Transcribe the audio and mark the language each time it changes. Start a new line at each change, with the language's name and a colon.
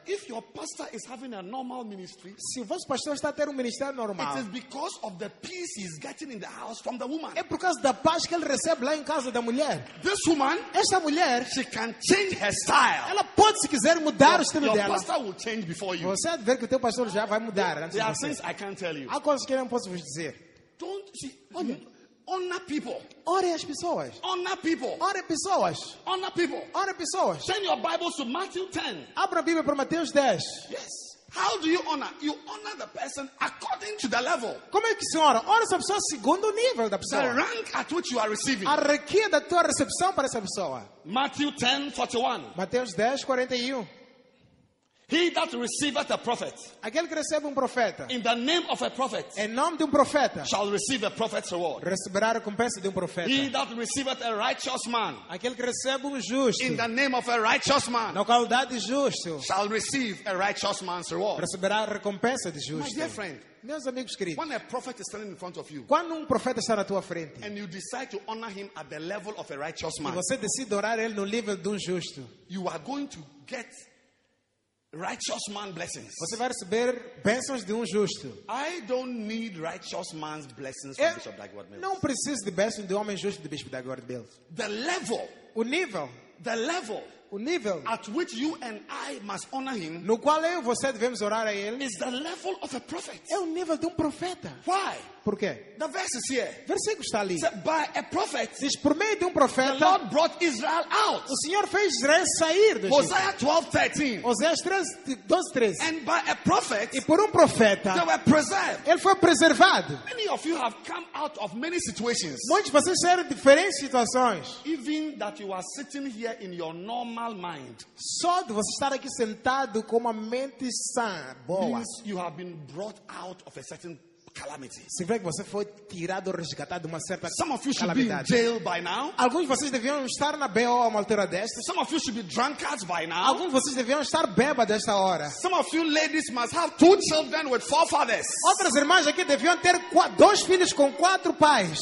English: If your pastor is having a normal ministry,
Portuguese: se o vosso pastor está a ter ministério normal,
English: it is because of the peace he's getting in the house from the woman.
Portuguese: É por causa da paz que ele recebe lá em casa da mulher.
English: This woman,
Portuguese: esta mulher,
English: she can change her style.
Portuguese: Ela pode, se quiser, mudar o estilo dela.
English: Your pastor will change before you.
Portuguese: Você vai ver que teu pastor já vai mudar antes de você.
English: There are things I can't tell you.
Portuguese: Há coisas que não posso vos dizer.
English: Don't see. Honor people.
Portuguese: Ore as pessoas.
English: Honor people.
Portuguese: Ore pessoas.
English: Honor people.
Portuguese: Ore pessoas.
English: Turn your Bible to Matthew 10.
Portuguese: Abra a Bíblia para Mateus 10.
English: Yes. How do you honor? You honor the person according to the level.
Portuguese: Como é que se honra? Honra essa pessoa segundo o nível da pessoa.
English: The rank at which you are receiving.
Portuguese: A hierarquia da tua recepção para essa pessoa.
English: Matthew 10:41.
Portuguese: Mateus 10:41.
English: He that receiveth a prophet,
Portuguese: aquele que recebe profeta,
English: in the name of a prophet,
Portuguese: em nome de profeta,
English: shall receive a prophet's reward.
Portuguese: Receberá a recompensa de profeta.
English: He that receiveth a righteous man,
Portuguese: aquele que recebe justo,
English: in the name of a righteous man,
Portuguese: na qualidade de justo,
English: shall receive a righteous man's reward.
Portuguese: Receberá a recompensa de justo.
English: My dear friend,
Portuguese: meus amigos queridos,
English: when a prophet is standing in front of you,
Portuguese: quando profeta está na tua frente,
English: and you decide to honor him at the level of a righteous man,
Portuguese: você decide honrar ele no nível de justo,
English: you are going to get righteous man blessings.
Portuguese: Você vai receber bênçãos de justo.
English: I don't need righteous man's blessings from Bishop Dagwood Mills.
Portuguese: Não preciso de bênção de homem justo de Bishop Dagwood Mills.
English: The level.
Portuguese: O nível.
English: The level.
Portuguese: O nível
English: at which you and I must honor him,
Portuguese: no qual eu e você devemos orar a ele,
English: is the level of a prophet.
Portuguese: É o nível de profeta.
English: Why?
Portuguese: Por quê?
English: The verse is here.
Portuguese: Versículo está ali.
English: So, by a prophet,
Portuguese: diz, por meio de profeta,
English: the Lord brought Israel out.
Portuguese: O Senhor fez Israel sair do Egito. Oséias 12:13.
English: And by a prophet,
Portuguese: e por profeta,
English: they were preserved.
Portuguese: Ele foi preservado.
English: Many of you have come out of many situations.
Portuguese: Muitos de vocês saíram de diferentes situações.
English: Even that you are sitting here in your normal mind.
Portuguese: Só de você estar aqui sentado com uma mente sã, boa.
English: You have been brought out of a certain calamity.
Portuguese: Significa que você foi tirado, resgatado de uma certa
English: Some of you
Portuguese: calamidade.
English: Should be in jail by now.
Portuguese: Alguns de vocês deviam estar na BO a uma altura desta.
English: Some of you should be drunkards by now.
Portuguese: Alguns de vocês deviam estar bêbados desta hora.
English: Some of you ladies must have two children with four fathers.
Portuguese: Outras irmãs aqui deviam ter dois filhos com quatro pais.